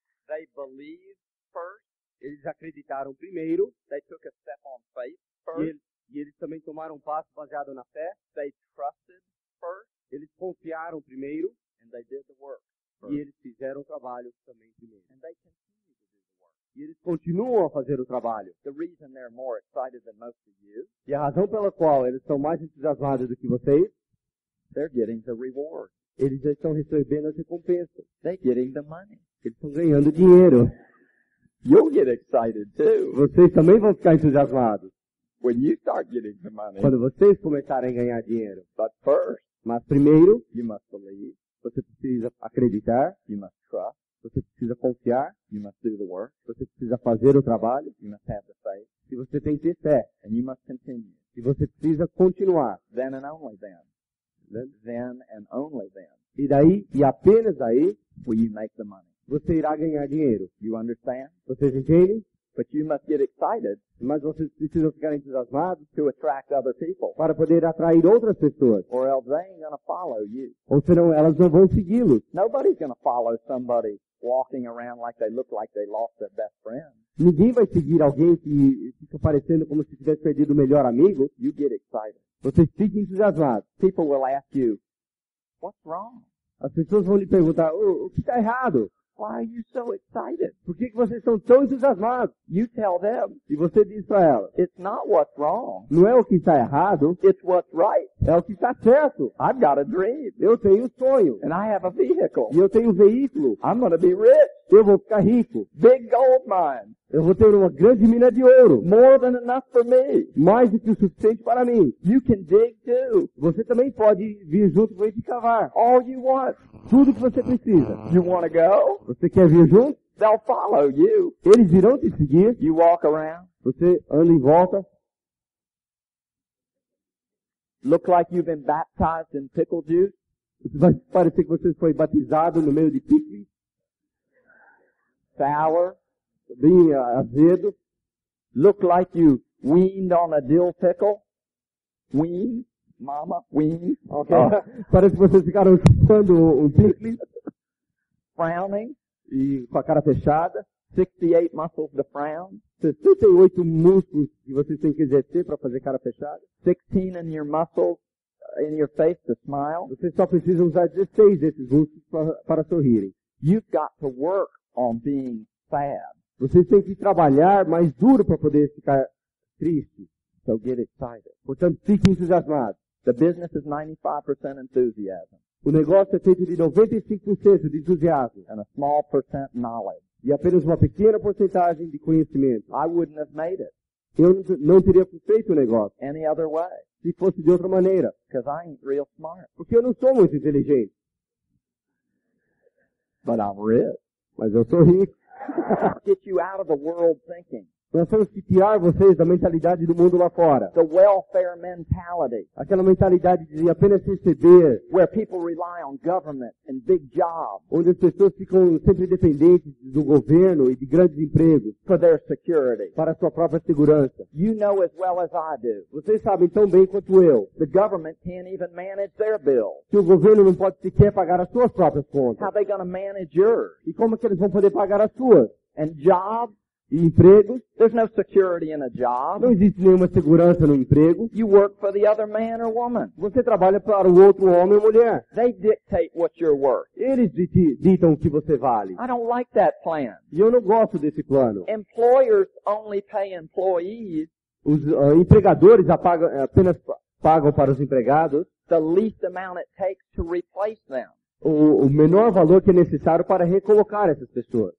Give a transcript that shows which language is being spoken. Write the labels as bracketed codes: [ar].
[en] They believe first. [pt] Eles acreditaram primeiro. [en] They took a step on faith first. [pt] E eles também tomaram um passo baseado na fé. [en] They trusted first. [pt] Eles confiaram primeiro. [en] And they did the work first. [pt] E eles fizeram o trabalho também primeiro. [en] And they continue to do the work. [pt] E eles continuam a fazer o trabalho. [en] The reason they're more excited than most of you, [pt] e a razão pela qual eles estão mais entusiasmados do que vocês, [en] they're getting the reward. [pt] Eles já estão recebendo as recompensas. [en] They're getting the money. [pt] Eles estão ganhando dinheiro. [en] You'll get excited too. [pt] Vocês também vão ficar entusiasmados. [en] When you start getting the money, [pt] quando vocês começarem a ganhar dinheiro. [en] But first, [pt] mas primeiro, [en] you must believe, [pt] você precisa acreditar. [en] You must trust, [pt] você precisa confiar. [en] You must do the work, [pt] você precisa fazer o trabalho. [en] You must have the faith, [pt] e você tem que ter fé. [en] And you must continue, [pt] e você precisa continuar. [en] Then and only then. Then and only then. [pt] E daí, e apenas daí, [en] will you make the money. [pt] Você irá ganhar dinheiro. [en] You understand? [pt] Vocês entendem? [en] But you must get excited. [pt] Mas vocês precisam ficar entusiasmados [en] to attract other people. [pt] Para poder atrair outras pessoas. [en] Or else they ain't gonna follow you. [pt] Ou senão elas não vão segui-los. [en] Nobody's gonna follow somebody walking around like they look like they lost their best friend. [pt] Ninguém vai seguir alguém que fica parecendo como se tivesse perdido o melhor amigo. [en] You get excited. [pt] Vocês ficam entusiasmados. [en] People will ask you, what's wrong? [pt] As pessoas vão lhe perguntar, o que está errado? [en] Why are you so excited? [pt] Por que vocês estão tão entusiasmados? [en] You tell them. [pt] E você diz para elas. [en] It's not what's wrong. [pt] Não é o que está errado. [en] It's what's right. [pt] É o que está certo. [en] I've got a dream. [pt] Eu tenho um sonho. [en] And I have a vehicle. [pt] E eu tenho um veículo. [en] I'm gonna be rich. [pt] Eu vou ficar rico. [en] Big gold mine. [pt] Eu vou ter uma grande mina de ouro. [en] More than enough for me. [pt] Mais do que o suficiente para mim. [en] You can dig too. [pt] Você também pode vir junto com ele e cavar. [en] All you want. [pt] Tudo que você precisa. [en] You wanna go? [pt] Você quer vir junto? [en] They'll follow you. [pt] Eles irão te seguir. [en] You walk around. [pt] Você anda em volta. [en] Look like you've been baptized in pickle juice. [pt] Você vai parecer que você foi batizado no meio de pique. [en] Sour. [pt] Bem azedo. [en] Look like you weaned on a dill pickle. Wean. Mama, wean. Okay. [pt] Parece que vocês ficaram chupando um pique. [en] Frowning. [pt] E com a cara fechada. [en] 68 muscles to frown. [pt] 68 músculos que vocês têm que exercer para fazer cara fechada. [en] 16 in your muscles, in your face to smile. [pt] Vocês só precisam usar 16 desses músculos para sorrirem. [en] You've got to work on being sad. [pt] Vocês têm que trabalhar mais duro para poder ficar triste. [en] So get excited. [pt] Portanto, fique entusiasmado. [en] The business is 95% enthusiasm. [pt] O negócio é feito de 95% de entusiasmo. [en] And a small percent knowledge. [pt] E apenas uma pequena porcentagem de conhecimento. [en] I wouldn't have made it. [pt] Eu não teria feito o negócio. [en] Any other way. [pt] Se fosse de outra maneira. [en] Because I ain't real smart. [pt] Porque eu não sou muito inteligente. [en] But I'm rich. [pt] Mas eu sou rico. [en] Get you out of the world thinking. [pt] Nós temos que tirar vocês da mentalidade do mundo lá fora. [en] The welfare mentality. [pt] Aquela mentalidade de apenas receber. [en] Where people rely on government and big jobs. [pt] Onde as pessoas ficam sempre dependentes do governo e de grandes empregos. [en] For their security. [pt] Para sua própria segurança. [en] You know as well as I do. [pt] Vocês sabem tão bem quanto eu. [en] The government can't even manage their bills. [pt] Que o governo não pode sequer pagar as suas próprias contas. [en] How they gonna manage yours? [pt] E como é que eles vão poder pagar as suas? [en] And jobs? [pt] E empregos? [en] There's no security in a job. [pt] Não existe nenhuma segurança no emprego. [en] You work for the other man or woman. [pt] Você trabalha para o outro homem ou mulher. [en] They dictate what you're worth. [pt] Eles ditam o que você vale. [en] I don't like that plan. [pt] Eu não gosto desse plano. [en] Employers only pay employees. [pt] Os empregadores apenas pagam para os empregados. [en] The least amount it takes to replace them. [pt] O menor valor que é necessário para recolocar essas pessoas.